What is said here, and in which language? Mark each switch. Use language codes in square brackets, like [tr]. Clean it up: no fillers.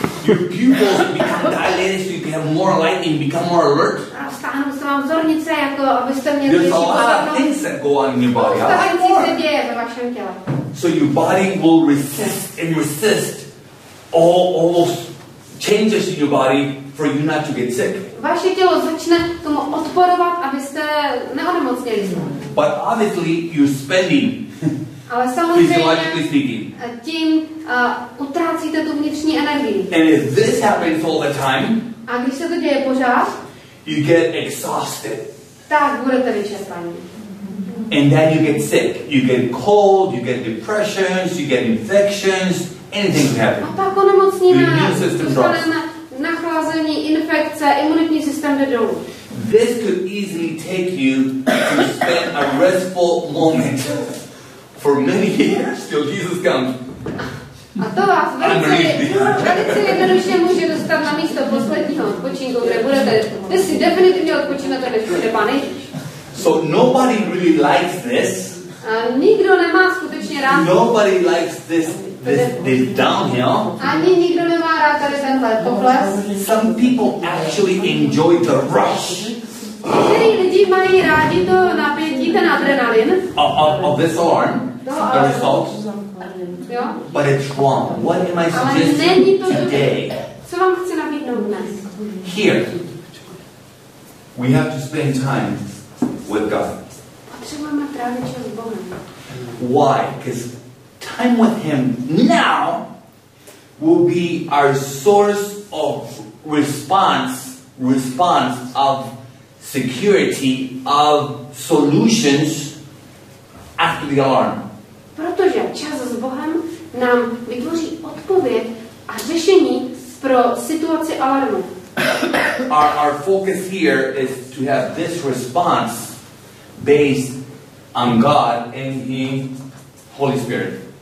[en] Your pupils become dilated so you can have more light and become more alert. [cs] A stáhnou se vám zornice, jako abyste měli větší pozornost. [en] There's a lot of things that go on in your body. [cs] Spousta věcí se děje ve vašem těle. [en] So your body will resist and resist almost changes in your body for you not to get sick. [cs] Vaše tělo začne tomu odporovat, abyste neonemocněli znovu. [en] But obviously you're spending. [cs] Ale samozřejmě tím utrácíte tu vnitřní energii. [en] And if this happens all the time, [cs] a když se to děje pořád, [en] you get exhausted. [cs] Tak budete vyčerpaní. [en] And then you get sick. You get cold, you get depressions, you get infections, anything can happen. [cs] A pak onemocníme, dostaneme nachlazení, infekce, imunitní systém jde dolů. [en] This could easily take you to spend a restful moment for many years till Jesus comes. [cs] A to vás velice jednoduše může dostat na místo posledního odpočinku, kde budete si definitivně odpočinat, než bude Pán Ježíš. [en] So nobody really likes this. [cs] A nikdo nemá skutečně rád. [en] Nobody likes this downhill. [cs] Ani nikdo nemá rád tady tenhle pokles. [en] Some people actually enjoy the rush. [cs] Některý lidi mají rádi to napětí, ten adrenalin. [en] Of this alarm, the results. [cs] Jo? [en] But it's wrong. What am I suggesting today? [cs] Co vám chci nabídnout dnes? [en] Here. We have to spend time with God. [cs] Potřebujeme trávit čas s Bohem. [en] Why? Because time with Him now will be our source of response of security, of solutions after the alarm. [cs] Protože čas s Bohem nám vytvoří odpověď a řešení pro situaci alarmu. [en] Our focus here is to have this response based on God and His Holy Spirit.